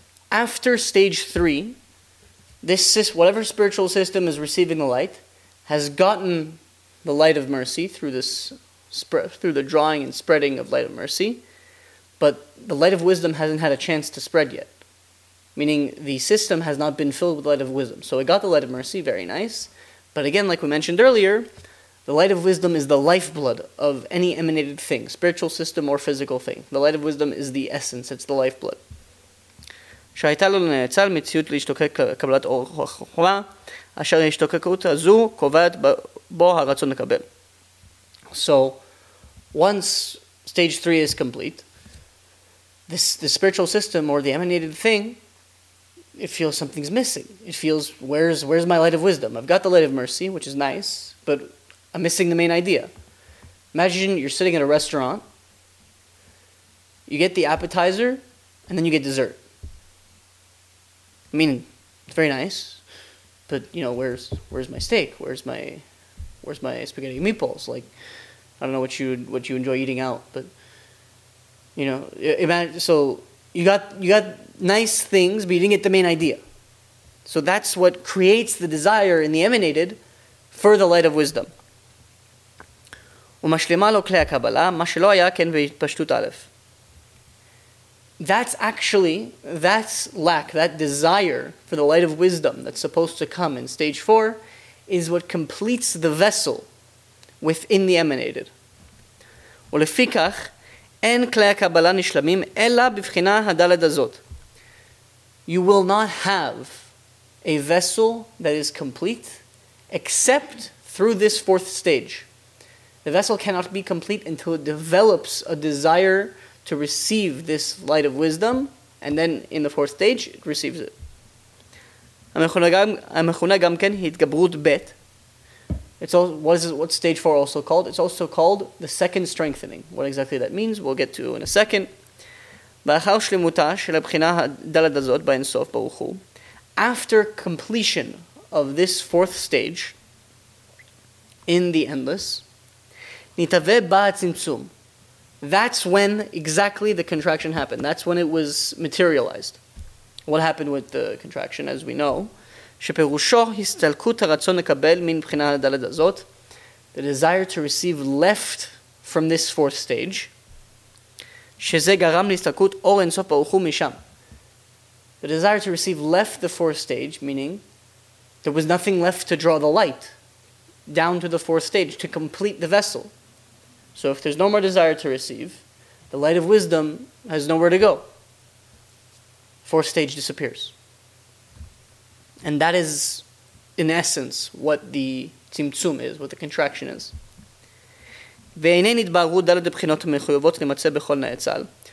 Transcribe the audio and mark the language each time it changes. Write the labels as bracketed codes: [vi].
[en] After stage three, whatever spiritual system is receiving the light has gotten the light of mercy through this through the drawing and spreading of light of mercy, but the light of wisdom hasn't had a chance to spread yet. Meaning the system has not been filled with light of wisdom. So it got the light of mercy, very nice. But again, like we mentioned earlier, The light of wisdom is the lifeblood of any emanated thing, spiritual system or physical thing. The light of wisdom is the essence, it's the lifeblood. [he] שהייתה לו לנעצל מציאות להשתוקק לקבלת אור חוכמה, אשר ההשתוקקות הזו קובעת בו הרצון לקבל. [en] So, once stage three is complete, the spiritual system or the emanated thing, it feels something's missing. It feels, where's my light of wisdom? I've got the light of mercy, which is nice, but I'm missing the main idea. Imagine you're sitting at a restaurant, you get the appetizer, and then you get dessert. I mean, it's very nice, but you know, where's my steak? Where's my spaghetti and meatballs? Like, I don't know what you enjoy eating out, but you know, imagine. So you got nice things, but you didn't get the main idea. So that's what creates the desire in the emanated for the light of wisdom. [he] ומשלימה לו כלי הקבלה, מה שלא היה כן בהתפשטות א'. [en] That's lack, that desire for the light of wisdom that's supposed to come in stage four is what completes the vessel within the emanated. [he] ולפיכך, אין כלי הקבלה נשלמים אלא בבחינה הדלת הזאת. [en] You will not have a vessel that is complete except through this fourth stage. The vessel cannot be complete until it develops a desire to receive this light of wisdom, and then in the fourth stage, it receives it. [he] המכונה גם כן התגברות בית. [en] What's stage four also called? It's also called the second strengthening. What exactly that means, we'll get to in a second. [he] באחר שלמותה של הבחינה הדלת הזאת באינסוף ברוך הוא, [en] after completion of this fourth stage, in the endless, [he] נתהווה בה הצמצום. [en] That's when exactly the contraction happened. That's when it was materialized. What happened with the contraction, as we know? [he] שפירושו הסתלקות הרצון לקבל מן בחינה הדלת הזאת, [en] the desire to receive left from this fourth stage, [he] שזה גרם להסתלקות אור אינסוף ברוך הוא משם. [en] The desire to receive left the fourth stage, meaning there was nothing left to draw the light down to the fourth stage to complete the vessel. So if there's no more desire to receive, the light of wisdom has nowhere to go. Fourth stage disappears. And that is, in essence, what the tzimtzum is, what the contraction is. [he] והנה נתבררו דלת הבחינות המחויבות למצא בכל נאצל.